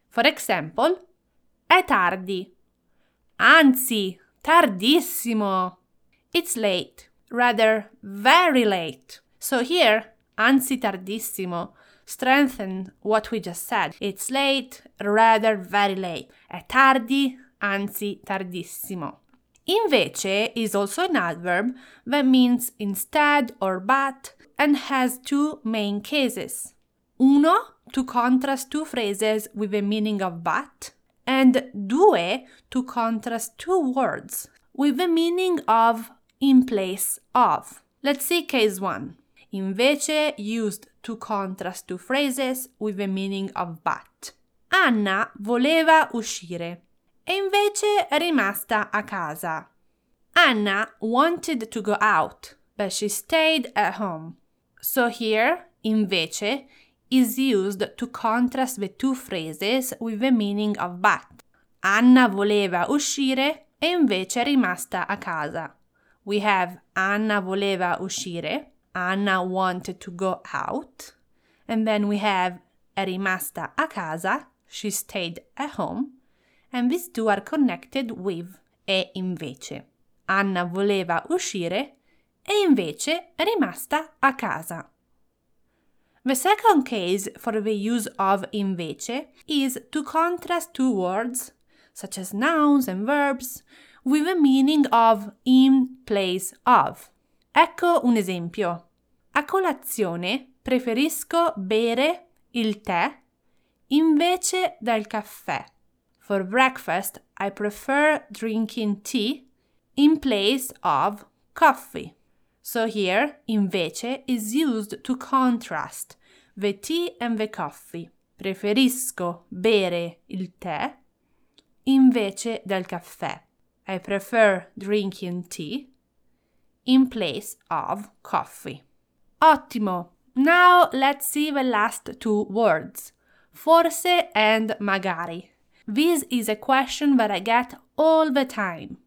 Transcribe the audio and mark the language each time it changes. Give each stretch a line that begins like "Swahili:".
English: For example,
Italian: è tardi. Anzi, tardissimo.
English: It's late, rather very late. So here,
Italian: anzi tardissimo,
English: strengthen what we just said. It's late, rather very late.
Italian: È tardi, anzi tardissimo.
English: Invece is also an adverb that means instead or but and has two main cases. Uno, to contrast two phrases with the meaning of but, and due, to contrast two words with the meaning of in place of. Let's see case one. Invece used to contrast two phrases with the meaning of but.
Italian: Anna voleva uscire e invece è rimasta a casa.
English: Anna wanted to go out, but she stayed at home. So here, invece, is used to contrast the two phrases with the meaning of but.
Italian: Anna voleva uscire e invece è rimasta a casa.
English: We have
Italian: Anna voleva uscire,
English: Anna wanted to go out, and then we have
Italian: è rimasta a casa,
English: she stayed at home, and these two are connected with
Italian: e invece. Anna voleva uscire e invece è rimasta a casa.
English: The second case for the use of invece is to contrast two words, such as nouns and verbs, with the meaning of in place of.
Italian: Ecco un esempio. A colazione preferisco bere il tè invece del caffè.
English: For breakfast I prefer drinking tea in place of coffee. So here, invece is used to contrast the tea and the coffee.
Italian: Preferisco bere il tè invece del caffè.
English: I prefer drinking tea in place of coffee.
Italian: Ottimo!
English: Now let's see the last two words. Forse and magari. This is a question that I get all the time.